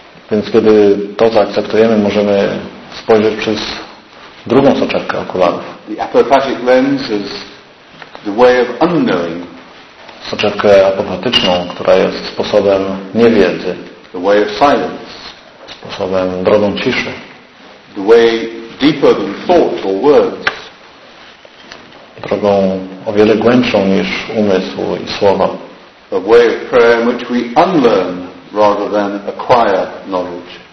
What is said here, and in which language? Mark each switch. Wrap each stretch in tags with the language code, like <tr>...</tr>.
<pl>Więc kiedy to zaakceptujemy, możemy spojrzeć przez drugą soczewkę okularów.</pl> <en>The apophatic lens is the way of unknowing.</en> <pl>Soczewkę apofatyczną, która jest sposobem niewiedzy.</pl> <en>The way of silence.</en> <pl>Sposobem, drogą ciszy.</pl> <en>The way deeper than thought or words.</en> <pl>Drogą o wiele głębszą niż umysł i słowa.</pl> <en>The way of prayer in which we unlearn rather than acquire knowledge.</en>